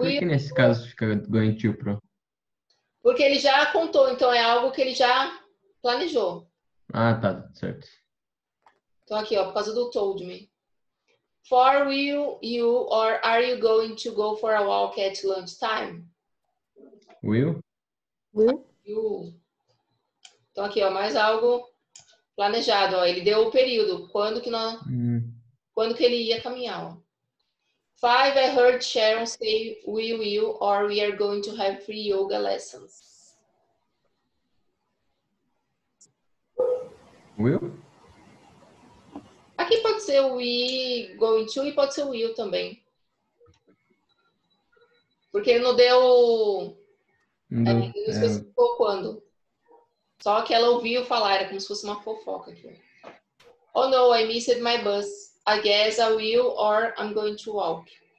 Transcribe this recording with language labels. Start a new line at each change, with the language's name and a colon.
Portuguese: Por que nesse caso fica going to, pro? Porque ele já contou, então é algo que ele já planejou. Ah, tá, certo. Então, aqui, ó, por causa do
English: told me. For will you or are you going to go for a walk at lunchtime? Will. Will. You.
Portuguese: Então, aqui, ó, mais algo planejado, ó. Ele deu o período. Quando que nós... Quando que ele ia caminhar, ó.
English: Five, I heard Sharon say we will or we are going to have free yoga lessons. Will.
Portuguese: Aqui pode ser o we going to e pode ser o will também. Porque ele não deu... Não especificou quando. Só que ela ouviu falar, era como se fosse uma fofoca aqui.
English: Oh no, I missed my bus. I guess I will or I'm going to walk.